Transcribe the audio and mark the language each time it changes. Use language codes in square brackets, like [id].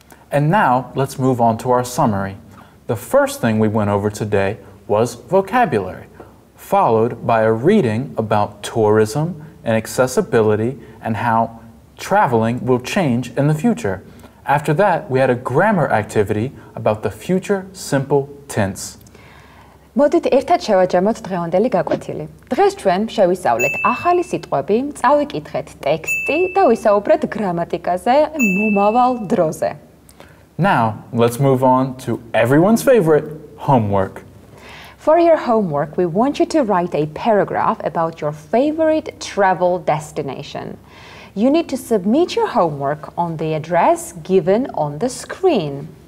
[en] And now let's move on to our summary. The first thing we went over today was vocabulary, followed by a reading about tourism and accessibility and how traveling will change in the future. After that, we had a grammar activity about the future simple tense. [ka] მოდით ერთად შევაჯამოთ დღევანდელი გაკვეთილი. დღეს ჩვენ შევისწავლეთ ახალი სიტყვები, წავიკითხეთ ტექსტი და ვისაუბრეთ გრამატიკაზე მომავალ დროზე. [en] Now, let's move on to everyone's favorite homework. For your homework, we want you to write a paragraph about your favorite travel destination. You need to submit your homework on the address given on the screen.